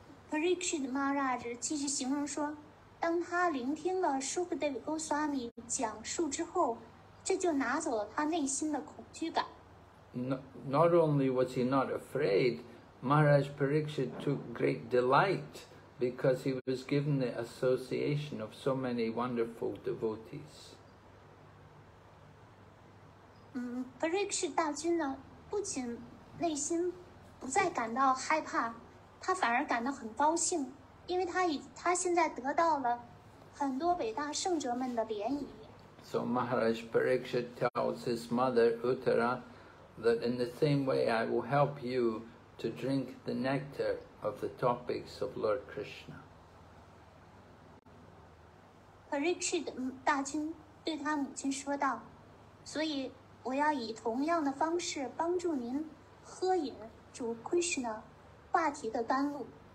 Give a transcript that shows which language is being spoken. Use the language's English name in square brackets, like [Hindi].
[Chinese] Parikshit Maharaj 继续形容说，当他聆听了 Sukadeva Goswami 讲述之后，这就拿走了他内心的恐惧感。 [English] Not only was he not afraid, Maharaj Parikshit took great delight because he was given the association of so many wonderful devotees. [Chinese] Parikshit 大君呢，不仅内心不再感到害怕，他反而感到很高兴，因为他现在得到了很多伟大圣者们的怜悯。 [English] So Maharaj Parikshit tells his mother Uttara that in the same way I will help you to drink the nectar of the topics of Lord Krishna. [Chinese] Parikshit 大君对他母亲说道，所以我要以同样的方式帮助您喝饮主 Krishna 话题的甘露。